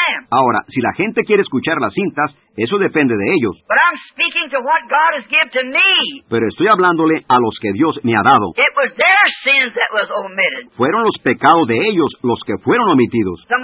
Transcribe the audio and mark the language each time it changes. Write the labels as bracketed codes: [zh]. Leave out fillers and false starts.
[es] Ahora, si la gente quiere escuchar las cintas, eso depende de ellos. [en] But I'm speaking to what God has given to me. [es] Pero estoy hablándole a los que Dios me ha dado. [en] It was their sins that was omitted. [es] Fueron los pecados de ellos los que fueron omitidos.